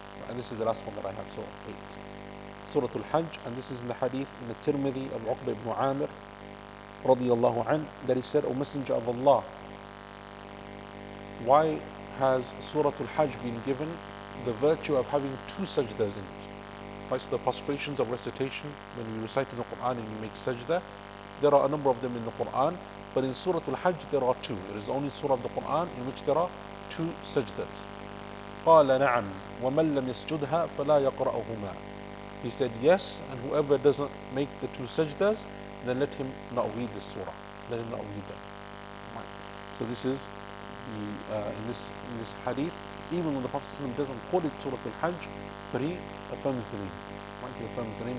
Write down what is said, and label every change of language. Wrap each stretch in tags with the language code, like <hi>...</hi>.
<en>And this is the last one that I have, Surah 8. Surah Al-Hajj, and this is in the hadith in the Tirmidhi of Uqba ibn Amir, radiallahu anhu, that he said, O Messenger of Allah, why has Surah Al-Hajj been given the virtue of having two sajdas in it? Right, so the prostrations of recitation, when you recite in the Quran and you make sajda, there are a number of them in the Quran, but in Surah Al-Hajj there are two. It is only Surah of the Quran in which there are two sajdas.</en> <ar>قال نعم ومن لم يسجدها فلا يقرأهما.</ar> <en>He said yes, and whoever doesn't make the two sajdas, then let him not read the surah. Let him not read them. So this is in this hadith, even when the Prophet doesn't call it Surah Al-Hajj, but he affirms the name. Why he affirms the name?</en>